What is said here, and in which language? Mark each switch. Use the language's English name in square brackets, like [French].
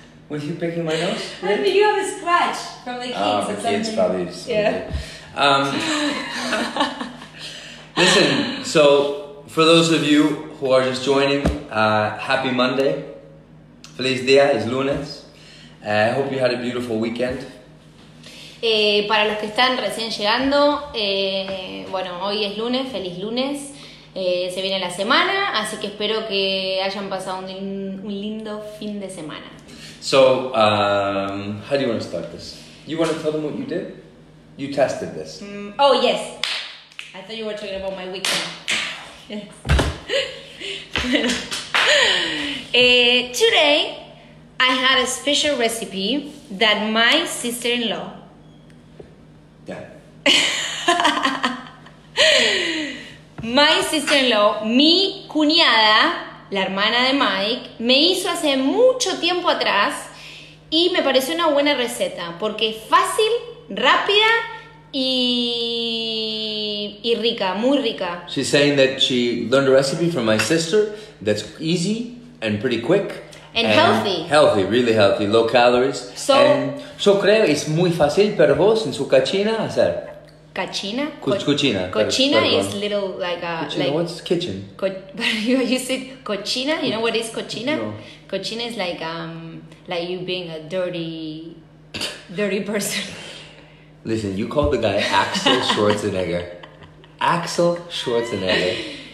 [English] With you picking my nose? Really? I mean, you have a scratch from the kids. Oh, the kids probably. Yeah. listen, so for those of you who are just joining, happy Monday. [Spanish] Feliz día, es lunes. [English] I hope you had a beautiful weekend. [Spanish] Para los que están recién llegando, bueno, hoy es lunes, feliz lunes, se viene la semana, así que espero que hayan pasado un lindo fin de semana. [English] So, how do you want to start this? You want to tell them what you did? You tested this. Oh, yes. I thought you were talking about my weekend. Yes. today, I had a special recipe that my sister-in-law, [Spanish] my sister-in-law, mi cuñada, la hermana de Mike, me hizo hace mucho tiempo atrás y me pareció una buena receta porque es fácil, rápida y rica, muy rica. [English] She's saying that she learned a recipe from my sister that's easy and pretty quick. And healthy. Healthy, really healthy, low calories. So, [Spanish] yo creo es muy fácil para vos en su cocina hacer. Cocina? Cocina. [English] Cocina is little like a... [Spanish] Cocina, [English] like, what's kitchen? You said cocina, you know what is cocina? No. Cocina is like you being a dirty person. Listen, you call the guy Axel Schwarzenegger. Axel Schwarzenegger.